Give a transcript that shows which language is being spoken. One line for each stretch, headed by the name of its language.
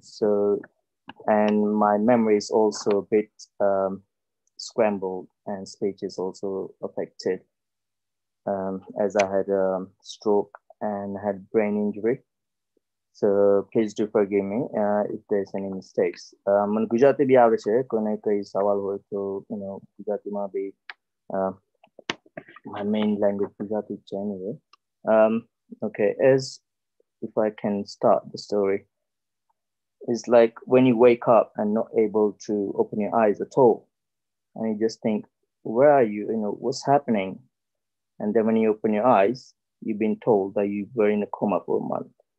English: So, and my memory is also a bit scrambled, and speech is also affected. As I had a stroke and had brain injury. So please do forgive me if there's any mistakes.
Gujarati: મને ગુજરાતી ભી આવે છે, કોઈને કઈ સવાલ હોય તો, you know, ગુજરાતીમાં ભી
English: my main language
Gujarati: ગુજરાતી છે anyway.
English: Okay, as if I can start the story. It's like when you wake up and not able to open your eyes at all, and you just think, where are you? You know, what's happening? And then when you open your eyes, you've been told that you were in a coma for a month.